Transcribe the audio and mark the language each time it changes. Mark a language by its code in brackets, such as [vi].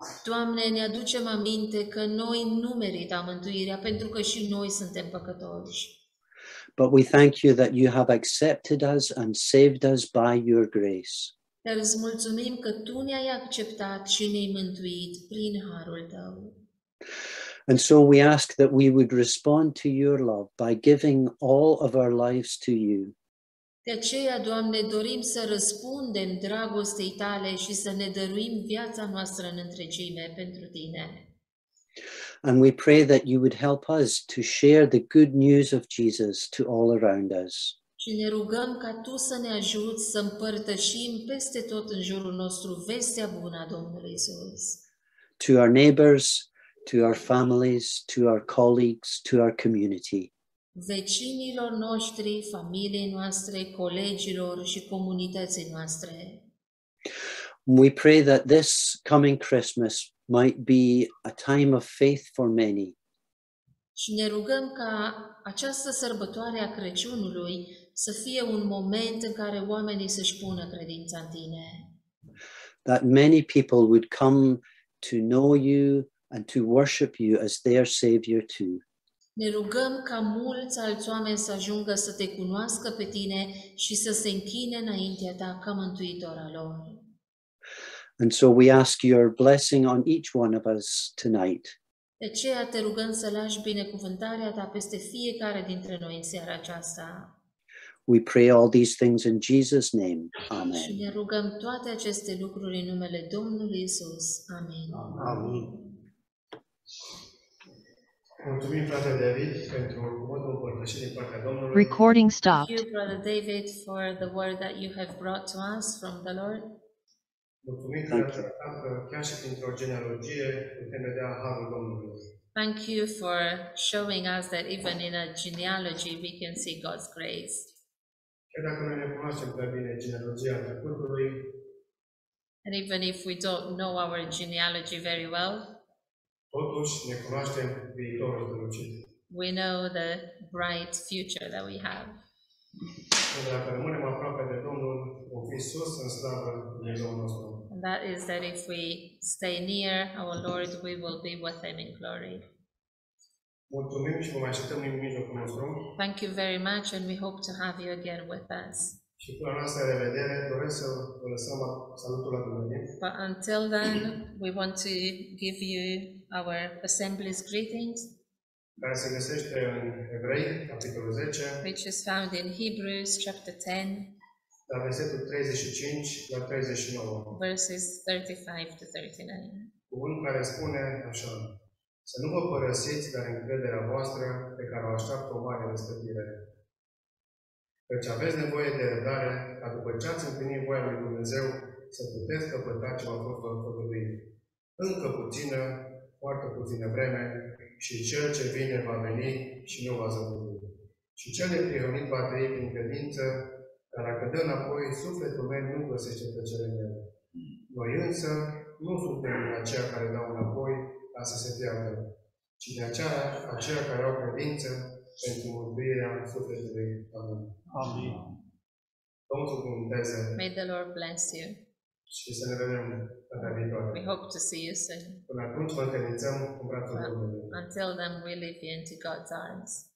[ro] Doamne, ne aducem aminte că noi nu merităm mântuirea pentru că și noi suntem păcătoși. [en] But we thank you that you have accepted us and saved us by your grace. [ro] Dar îți mulțumim că tu ne-ai acceptat și ne-ai mântuit prin harul tău. [en] And so we ask that we would respond to your love by giving all of our lives to you. [ro] De aceea, Doamne, dorim să răspundem dragostei tale și să ne dăruim viața noastră în întregime pentru tine. [en] And we pray that you would help us to share the good news of Jesus to all around us. [ro] Și ne rugăm ca tu să ne ajuți să împărtășim peste tot în jurul nostru vestea bună a Domnului Iisus. [en] To our neighbors, to our families, to our colleagues, to our community. [ro] Vecinilor noștri, familiei noastre, colegilor și comunității noastre. [en] We pray that this coming Christmas might be a time of faith for many. [ro] Și ne rugăm ca această sărbătoare a Crăciunului să fie un moment în care oamenii să-și pună credința în tine. [en] That many people would come to know you and to worship you as their savior too. [ro] Ne rugăm ca mulți alți oameni să ajungă să te cunoască pe tine și să se închine înaintea ta ca mântuitor al lor. [en] And so we ask your blessing on each one of us tonight. [ro] De aceea te rugăm să lași binecuvântarea ta peste fiecare dintre noi în seara aceasta. [en] We pray all these things in Jesus' name. Amen. [ro] Și ne rugăm toate aceste lucruri în numele Domnului Iisus. [en] Amen. [ro] Amin. Mulțumim, frate David, pentru modul împărtășit din partea Domnului. [en] Recording stopped. Thank you, brother David, for the word that you have brought to us from the Lord. [ro] Mulțumim, frate, că chiar și printr-o genealogie putem vedea harul Domnului. [en] Thank you for showing us that even in a genealogy we can see God's grace. [ro] Chiar dacă noi ne cunoaștem prea bine genealogia trecutului. [en] And even if we don't know our genealogy very well. [ro] Totuși ne cunoaștem viitorul strălucit. [en] We know the bright future that we have. [ro] Când dacă rămânem aproape de Domnul, o fi sus în slavă de Domnul nostru. [en] And that is that if we stay near our Lord, we will be with him in glory. [ro] Mulțumim și vă mai așteptăm în mijlocul nostru. [en] Thank you very much and we hope to have you again with us. [ro] Și cu această revedere, doresc să vă lăsăm salutul la dumneavoastră. [en] But until then, we want to give you our assembly's greetings. [ro] Care se găsește în Evrei, capitolul 10. [en] Which is found in Hebrews, chapter 10. [ro] La versetul 35 la 39. [en] Verses 35 to 39. [ro] Cuvânt care spune așa. Să nu vă părăsiți, dar încrederea voastră pe care o așteaptă o mare răspătire. Căci aveți nevoie de răbdare, ca după ce ați împlinit voia lui Dumnezeu, să puteți căpăta ce v-a fost făgăduit. Încă puțină, foarte puțină vreme, și cel ce vine va veni și nu va zăbunit. Și cel neprihănit va trăi prin credință, dar dacă dă înapoi, sufletul meu nu găsește plăcere în el. Noi însă nu suntem din aceia care dau înapoi, ca să se piardă, ci de aceia care au credință pentru mântuirea sufletului. Amin. Amin. Domnul să cuvânteze. [en] May the Lord bless you. [ro] Și să ne vedem data viitoare. [en] We hope to see you soon. [ro] Până atunci vă întâlnițăm în brațul Domnului. [en] Until then we leave you into God's arms.